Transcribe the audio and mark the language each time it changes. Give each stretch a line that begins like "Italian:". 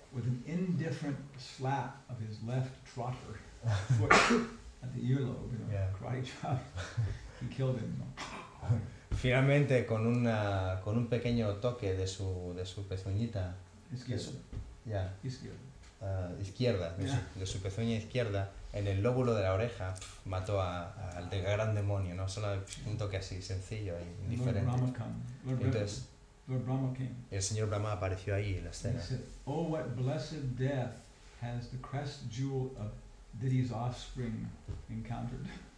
English: with an indifferent slap of his left trotter foot at the earlobe, karate chop, he killed him.
Spanish: Finalmente, con un pequeño toque de su pezuñita de su pezuña izquierda, en el lóbulo de la oreja, mató al gran demonio, ¿no? Solo un toque así, sencillo e indiferente. Entonces, el señor Brahma apareció ahí en la escena.
English: Said, oh, what blessed death has the crest jewel of Didi's offspring encountered.